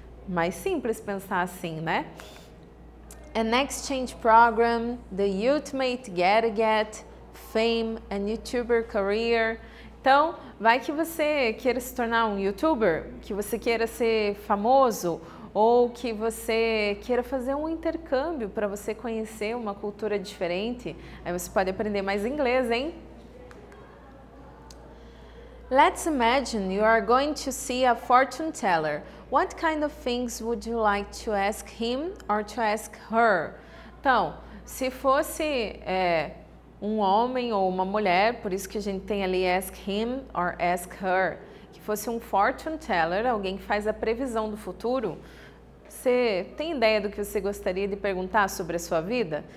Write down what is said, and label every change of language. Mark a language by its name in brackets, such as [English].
[Portuguese] Mais simples pensar assim, né? [English] An exchange program, the ultimate get-a-get, fame, a YouTuber career. [Portuguese] Então, vai que você queira se tornar um YouTuber, que você queira ser famoso, ou que você queira fazer um intercâmbio para você conhecer uma cultura diferente, aí você pode aprender mais inglês, hein? [English] Let's imagine you are going to see a fortune teller. What kind of things would you like to ask him or to ask her? [Portuguese] Então, se fosse um homem ou uma mulher, por isso que a gente tem ali [English] ask him or ask her, [Portuguese] que fosse um fortune teller, alguém que faz a previsão do futuro, você tem ideia do que você gostaria de perguntar sobre a sua vida?